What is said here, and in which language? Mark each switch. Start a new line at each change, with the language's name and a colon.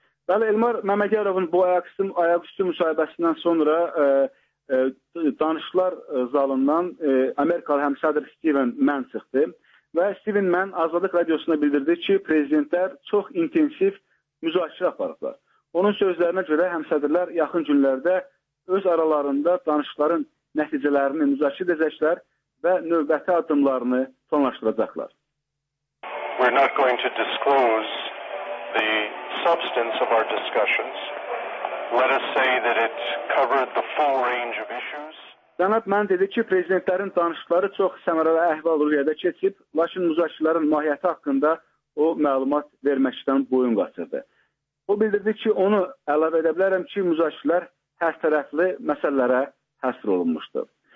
Azerbaijani: Bəli, Elmar Məmmədyarovun bu ayaqüstü müsahibəsindən sonra danışıqlar zalından Amerikalı həmsədr Steven Mann çıxdı və Steven Mann Azadlıq Radiosuna bildirdi ki, prezidentlər çox intensiv müzakirə aparıblar. Onun sözlərinə görə həmsədrlər yaxın günlərdə öz aralarında danışıqların nəticələrini müzakirə edəcəklər və növbəti addımlarını planlaşdıracaqlar.
English: We're not going to disclose the substance of our discussions. Let us say that it covered the full range of issues.
Azerbaijani: Cənab Mann dedi ki, prezidentlərin danışıqları çox səmərəli əhval-ruhiyyədə keçib, lakin müzakirələrin mahiyyəti haqqında o məlumat verməkdən boyun qaçırdı. O bildirdi ki, onu əlavə edə bilərəm ki, müzakirələr hər tərəfli məsələlərə həsr olunmuşdur.